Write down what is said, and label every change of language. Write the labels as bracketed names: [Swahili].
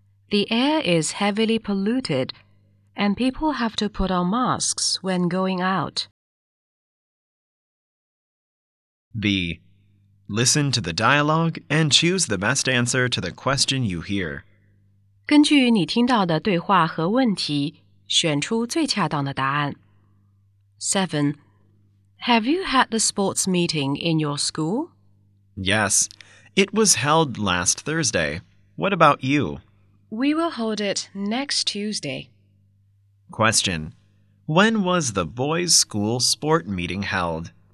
[English] The air is heavily polluted, and people have to put on masks when going out. B. Listen to the dialogue and choose the best answer to the question you hear. [Chinese] 根据你听到的对话和问题，选出最恰当的答案。 [English] 7. Have you had the sports meeting in your school? Yes, it was held last Thursday. What about you? We will hold it next Tuesday. Question. When was the boys' school sport meeting held?